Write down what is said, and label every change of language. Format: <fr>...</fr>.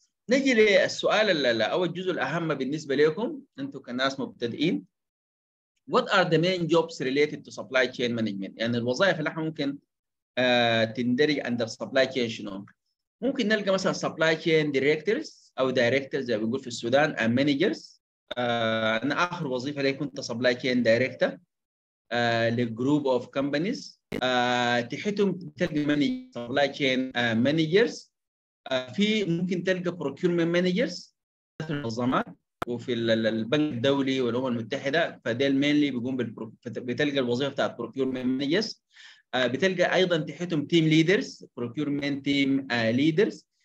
<ar>نجي للسؤال او الجزء الاهم بالنسبه لكم انتم كناس مبتدئين،</ar> <en>What are the main jobs related to supply chain management؟</en> <ar>يعني الوظائف اللي احنا ممكن تندرج under supply chain شنو؟ ممكن نلقى مثلا supply chain directors او directors زي ما بنقول في السودان and managers. انا اخر وظيفه لي كنت supply chain director لgroup of companies. تحتهم تلقى supply chain managers. في ممكن تلقى procurement managers في المنظمات وفي البنك الدولي والامم المتحده، فديل مينلي بيقوم بتلقى الوظيفه بتاعت بروكيورمنت مانجرز. بتلقى ايضا تحتهم تيم ليدرز، بروكيورمنت تيم ليدرز.</ar>